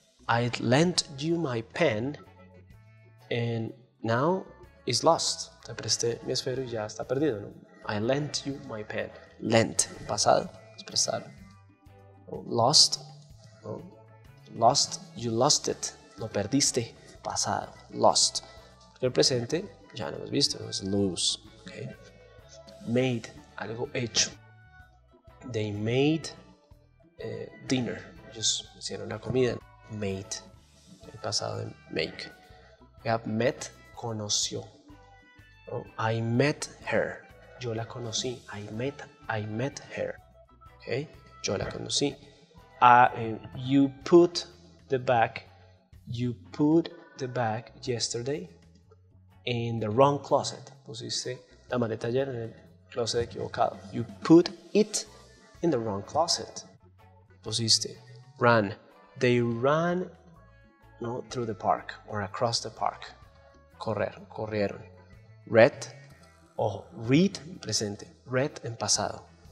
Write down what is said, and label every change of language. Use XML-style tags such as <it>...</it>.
<en>I lent you my pen and now it's lost.</en> <es>Te presté mi esfero y ya está perdido, ¿no?</es> <en>I lent you my pen. Lent,</en> <es>pasado, es prestar.</es> <en>Lost, ¿no? Lost, you lost it.</en> <es>Lo perdiste, pasado, lost. Porque el presente ya no lo has visto, ¿no? Es lose.</es> <en>Okay. Made,</en> <es>algo hecho.</es> <en>They made dinner.</en> <es>Ellos hicieron la comida. Made, el pasado de make.</es> <en>We have met,</en> <es>conoció.</es> <en>Oh, I met her.</en> <es>Yo la conocí.</es> <en>I met her. Okay.</en> <es>Yo la conocí.</es> <en>You put the bag yesterday in the wrong closet.</en> <es>Pusiste la maleta ayer en el closet equivocado.</es> <en>You put it in the wrong closet.</en> <es>Pusiste.</es> <en>Run. They ran, no, through the park or across the park.</en> <es>Correr, corrieron. Read, ojo, read en presente, read en pasado.</es>